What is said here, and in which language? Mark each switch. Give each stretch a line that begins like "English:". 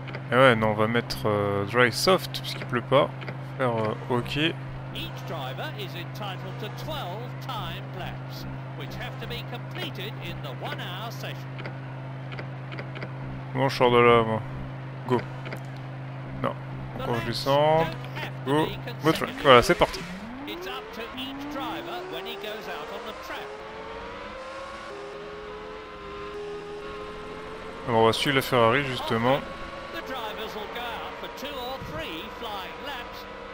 French: Et ouais, non, on va mettre Dry Soft, puisqu'il pleut pas. Faire OK.
English: Each driver is entitled to 12 time laps, which have to be completed in the 1 hour session.
French: Bon, je sors de là, moi. Go. Non. Encore, je descends. Go. Go track. Voilà, c'est parti.
English: It's up to each driver when he goes out on the track.
French: Bon, on va suivre la Ferrari, justement.
English: The drivers will go out for 2 or 3 flying laps.